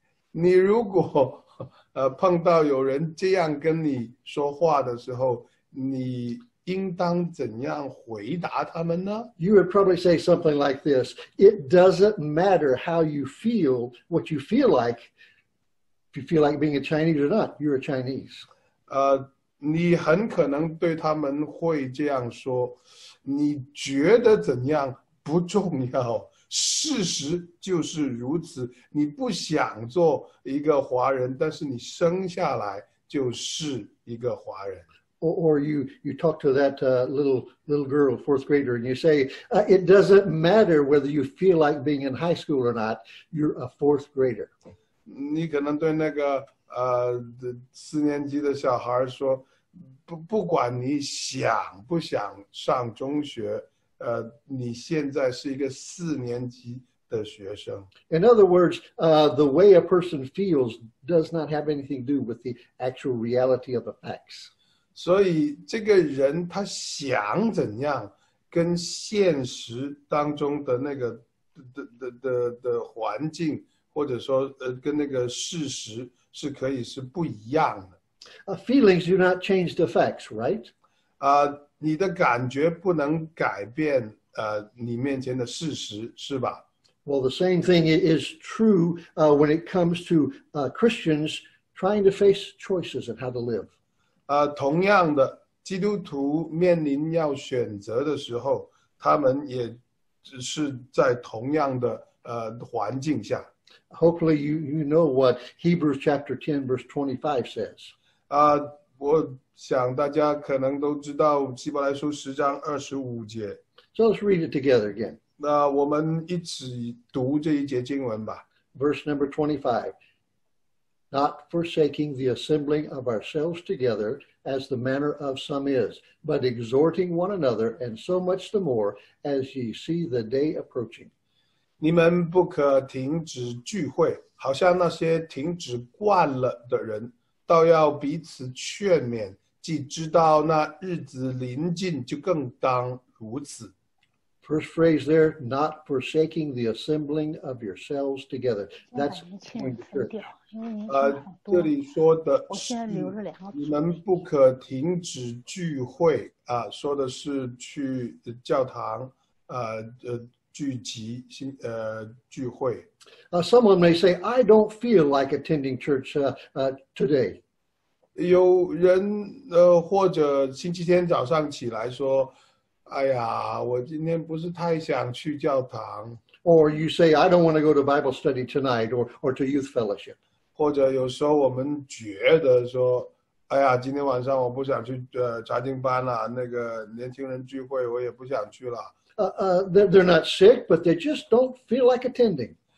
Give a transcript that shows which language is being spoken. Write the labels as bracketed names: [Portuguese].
[Chinese] 你如果碰到有人这样跟你说话的时候，你应当怎样回答他们呢？ [English] You would probably say something like this. It doesn't matter how you feel, what you feel like, if you feel like being a Chinese or not, you're a Chinese. [Chinese] 你很可能对他们会这样说，你觉得怎样不重要，事实就是如此。你不想做一个华人，但是你生下来就是一个华人。 [English] Or you talk to that little girl, fourth grader, and you say, it doesn't matter whether you feel like being in high school or not, you're a fourth grader. [Chinese] 你可能对那个四年级的小孩说，不管你想不想上中学，你现在是一个四年级的学生。 [English] In other words, the way a person feels does not have anything to do with the actual reality of the facts. [Chinese] 所以这个人他想怎样，跟现实当中的那个的环境，或者说跟那个事实是可以是不一样的。 [English] Feelings do not change the facts, right? [Chinese] 你的感觉不能改变你面前的事实，是吧？ [English] Well, the same thing is true when it comes to Christians trying to face choices and how to live. [Chinese] 同样的，基督徒面临要选择的时候，他们也是在同样的环境下。 [English] Hopefully you know what Hebrews chapter 10 verse 25 says. [Chinese] 我想大家可能都知道希伯来书十章二十五节。 [English] So let's read it together again. [Chinese] 那我们一起读这一节经文吧。 [English] Verse number 25. Not forsaking the assembling of ourselves together, as the manner of some is, but exhorting one another, and so much the more, as ye see the day approaching. [Chinese] 你们不可停止聚会，好像那些停止惯了的人，倒要彼此劝勉，既知道那日子临近，就更当如此。 [English] First phrase there, not forsaking the assembling of yourselves together. That's sure. [Chinese] 这里说的是，你们不可停止聚会啊，说的是去教堂聚集聚会。 [English] Someone may say, I don't feel like attending church today. [Chinese] 有人或者星期天早上起来说，哎呀，我今天不是太想去教堂。 [English] Or you say, I don't want to go to Bible study tonight or to youth fellowship. [Chinese] 或者有时候我们觉得说，哎呀，今天晚上我不想去查经班了，那个年轻人聚会我也不想去了。 [English] They're not sick, but they just don't feel like attending.